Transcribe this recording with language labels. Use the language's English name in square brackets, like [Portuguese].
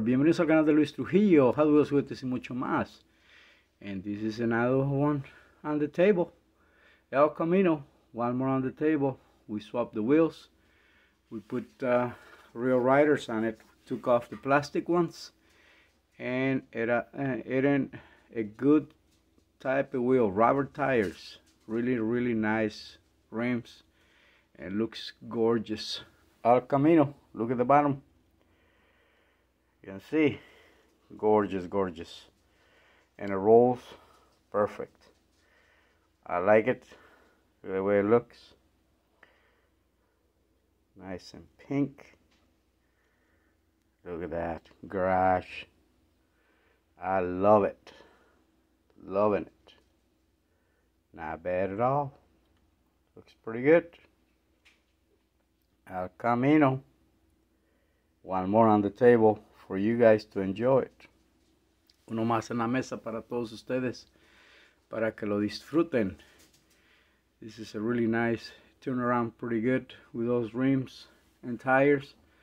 [Spanish] Bienvenidos al canal de Luis Trujillo, Hot Wheels Juguetes y Mucho Más. [English] And this is another one on the table. El Camino, one more on the table. We swapped the wheels. We put real riders on it. Took off the plastic ones. And it ain't a good type of wheel. Rubber tires. Really, really nice rims. It looks gorgeous. El Camino, look at the bottom. You can see, gorgeous, gorgeous. And it rolls perfect. I like it, the way it looks. Nice and pink. Look at that, garage. I love it, loving it. Not bad at all, looks pretty good. El Camino, one more on the table for you guys to enjoy it. [Spanish] Uno más en la mesa para todos ustedes, para que lo disfruten. [English] This is a really nice turnaround, pretty good with those rims and tires.